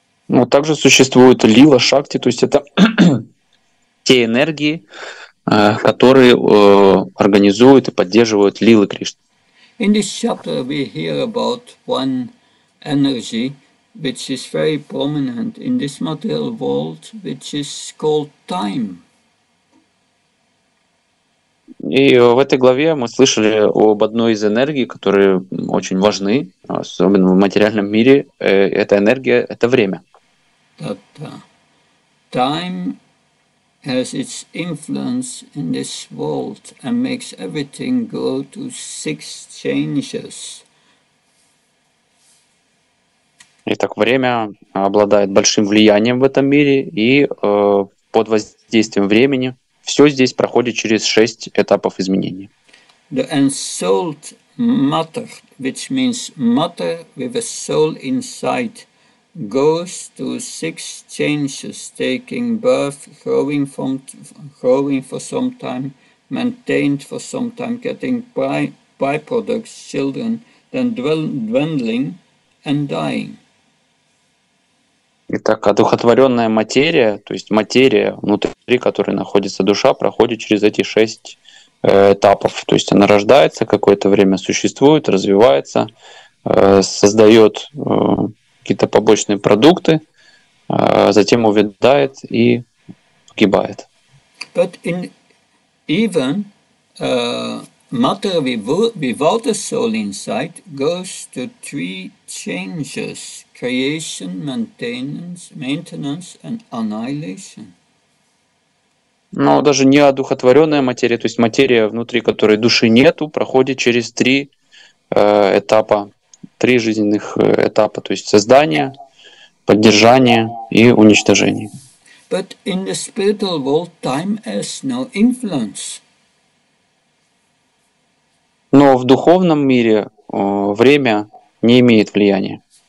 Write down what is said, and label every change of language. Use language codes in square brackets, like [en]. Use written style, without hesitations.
[ru] Ну, также существует Лила Шакти, то есть это те энергии, которые организуют и поддерживают Лилы Кришны. [en] In this chapter we hear about one energy which is very prominent in this material world, which is called time. [ru] И в этой главе мы слышали об одной из энергий, которые очень важны, особенно в материальном мире. Эта энергия — это время. [en] That time has its influence in this world and makes everything go to six changes. [ru] Итак, время обладает большим влиянием в этом мире, и под воздействием времени все здесь проходит через шесть этапов изменения. [en] The ensouled matter, which means matter with a soul inside, goes to six changes, taking birth, growing for some time, maintained for some time, getting byproducts, children, then dwindling and dying. [ru] Итак, одухотворенная материя, то есть материя, внутри которой находится душа, проходит через эти шесть этапов. То есть она рождается, какое-то время существует, развивается, создает какие-то побочные продукты, затем увядает и погибает. [en] But in even matter without a soul inside goes to three changes: creation, maintenance and annihilation. [ru] Но даже не одухотворенная материя, то есть материя, внутри которой души нету, проходит через три этапа. Три жизненных этапа, то есть создание, поддержание и уничтожение. [en] But in the spiritual world, time has no influence. [ru] Но в духовном мире время не имеет влияния.